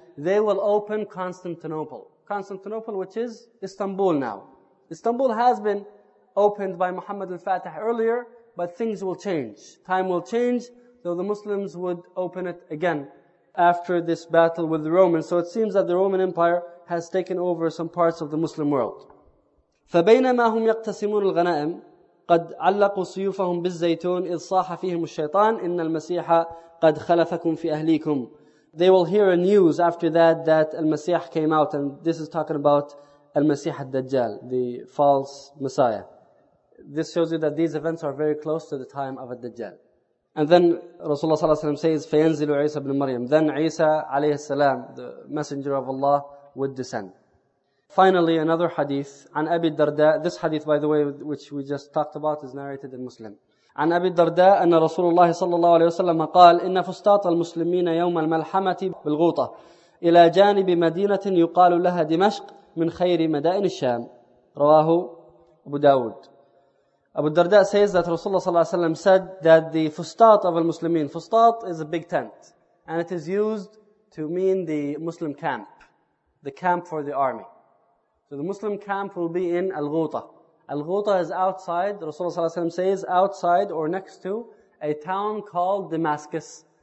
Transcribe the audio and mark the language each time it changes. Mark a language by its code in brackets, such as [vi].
[en] They will open Constantinople. Constantinople, which is Istanbul now. Istanbul has been opened by Muhammad al-Fatih earlier, but things will change. Time will change, though the Muslims would open it again after this battle with the Romans. So it seems that the Roman Empire has taken over some parts of the Muslim world. [ar] فبينما هم يقتسمون الغنائم قد علقوا سيوفهم بالزيتون إذ صاح فيهم الشيطان إن المسيح قد خلفكم في أهليكم. [en] They will hear a news after that المسيح came out, and this is talking about المسيح الدجال, the false Messiah. This shows you that these events are very close to the time of الدجال. And then Rasulullah صلى الله عليه وسلم says, [ar] فينزل عيسى بن مريم. [en] Then Isa عليه السلام, the messenger of Allah, would descend. Finally, another hadith, عن أبي الدرداء. This hadith, by the way, which we just talked about, is narrated in Muslim. [ar] عن أبي الدرداء أن رسول الله صلى الله عليه وسلم قال إن فسطاط المسلمين يوم الملحمة بالغوطة إلى جانب مدينة يقال لها دمشق من خير مدائن الشام. رواه أبو داود. [en] أبو الدرداء says that Rasulullah صلى الله عليه وسلم said that the fustat of the Muslimin, fustat is a big tent, and it is used to mean the Muslim camp, the camp for the army. So the Muslim camp will be in Al-Ghuta. Al-Ghuta is outside, Rasulullah sallallahu alayhi wa sallam says, outside or next to a town called Damascus.